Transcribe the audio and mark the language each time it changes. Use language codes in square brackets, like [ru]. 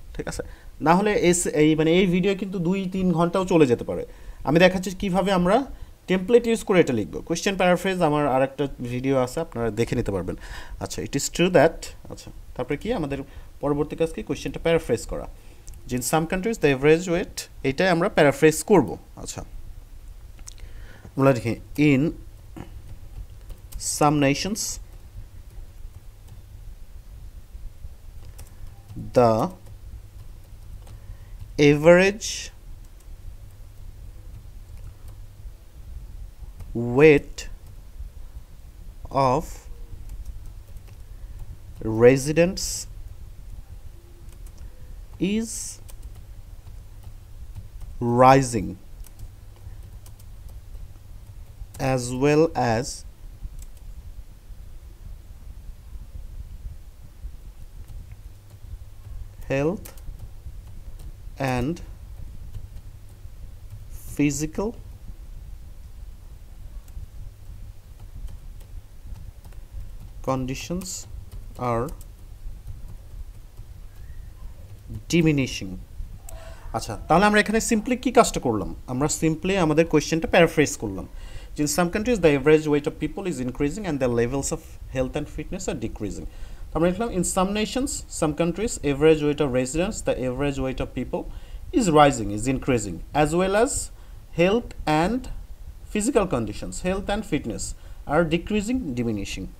[bn] ঠিক আছে, নাহলে এই ভিডিও কিন্তু 2-3 ঘন্টাও চলে যেতে পারে। আমি দেখাচ্ছি কীভাবে আমরা টেমপ্লেট ইউজ করে এটা লিখবো, কোয়েশ্চেন প্যারাফ্রেজ আমার আর একটা ভিডিও আছে, আপনারা দেখে নিতে পারবেন। আচ্ছা, [en] it is true that, [bn] আচ্ছা তারপরে কি আমাদের পরবর্তী কাজ, কি কোয়েশ্চেনটা প্যারাফ্রেজ করা, [en] in some countries the average weight, [bn] এটাই আমরা প্যারাফ্রেজ করব। আচ্ছা, আমরা দেখি [en] In some nations the average weight of residents is rising as well as health and physical conditions are diminishing. [bn] আচ্ছা, তাহলে আমরা এখানে সিম্পলি কী কাজটা করলাম, আমরা সিম্পলি আমাদের কোয়েশ্চেনটা প্যারাফ্রেজ করলাম যে [en] Some countries the average weight of people is increasing and the levels of health and fitness are decreasing. [bn] আমরা লিখলাম [en] In some nations some countries average weight of residents the average weight of people is rising is increasing as well as health and physical conditions health and fitness are decreasing diminishing.